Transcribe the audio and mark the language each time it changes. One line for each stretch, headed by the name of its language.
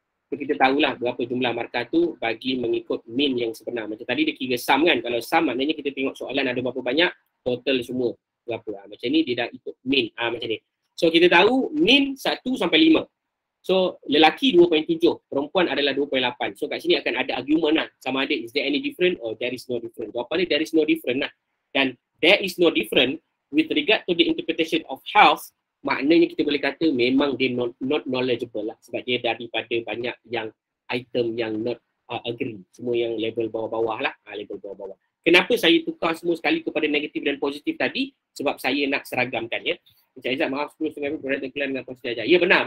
Malay: So kita tahulah berapa jumlah markah tu bagi mengikut mean yang sebenar. Macam tadi dia kira sum kan. Kalau sum maknanya kita tengok soalan ada berapa banyak, total semua berapa. Macam ni dia dah ikut mean. Macam ni. So kita tahu mean 1 sampai 5. So lelaki 2.7, perempuan adalah 2.8. So kat sini akan ada argument lah. Sama ada
English: is there any different or there is no different.
Malay: Jawapannya
English: there is no different
Malay: lah. Dan
English: there is no different with regard to the interpretation of health.
Malay: Maknanya kita boleh kata memang dia
English: not knowledgeable
Malay: lah. Sebab dia daripada banyak yang item yang
English: not agree.
Malay: Semua yang level bawah-bawah lah. Level bawah-bawah. Kenapa saya tukar semua sekali kepada negatif dan positif tadi? Sebab saya nak seragamkan ya. Encik Aizat maaf 10.5 minit berada dengan Puan Siti Ajar. Ya benar.